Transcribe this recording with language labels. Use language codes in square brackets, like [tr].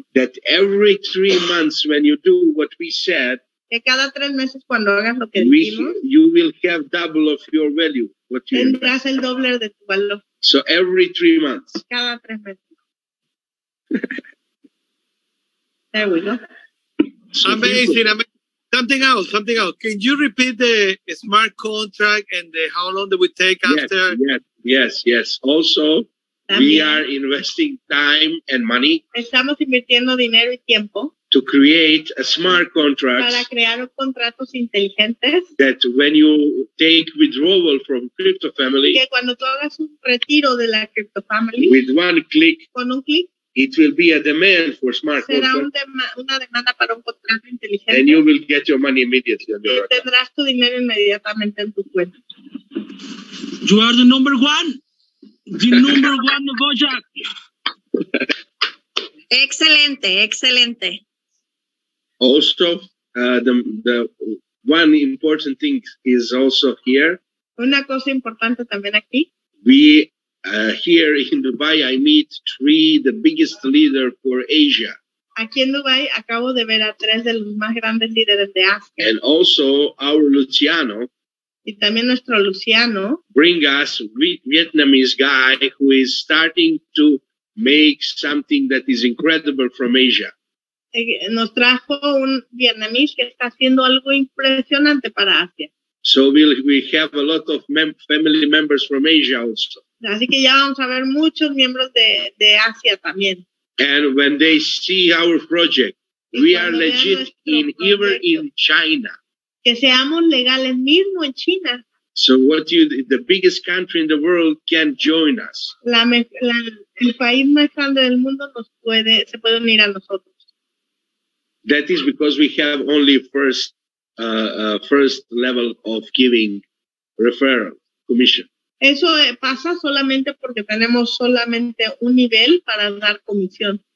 [en] that every 3 months when you do what we said, [es] que cada tres meses cuando hagas lo que decimos, [en] you will have double of your value. What you [es] tendrás el doble de tu valor. [en] So every 3 months. [es] Cada tres meses. [en] There we go. Amazing. Something else. Can you repeat the smart contract and the how long do we take after? Yes. Also, también, we are investing time and money. [es] Estamos invirtiendo dinero y tiempo. [en] To create a smart contract. [es] Para crear contratos inteligentes. [en] That when you take withdrawal from crypto family. [es] Que cuando tú hagas un retiro de la crypto family. [en] With one click. [es] Con un clic. [en] It will be a demand for smart [es] será [en] contract. [es] Una demanda para un contrato inteligente. [en] And you will get your money immediately. [es] Y tendrás tu dinero inmediatamente en tu cuenta. [en] You are the number one. The number one of Bojack. [es] Excelente. [en] Also, the one important thing is also here. [es] Una cosa importante también aquí. [en] We here in Dubai, I meet three, the biggest leader for Asia. [es] Aquí en Dubai acabo de ver a tres de los más grandes líderes de Asia. [en] And also our Luciano. [es] Y también nuestro Luciano. [en] Bring us Vietnamese guy who is starting to make something that is incredible from Asia. [es] Nos trajo un vietnamés que está haciendo algo impresionante para Asia. [en] So we have a lot of family members from Asia also. [es] Así que ya vamos a ver muchos miembros de Asia también. [en] And when they see our project, we are legit in even in China. [es] Que seamos legales mismo en China. [en] So what you, the biggest country in the world can join us. [es] El país más grande del mundo se puede unir a nosotros. [en] That is because we have only first level of giving referral commission. [es] Eso pasa solamente porque tenemos solamente un nivel para dar comisión.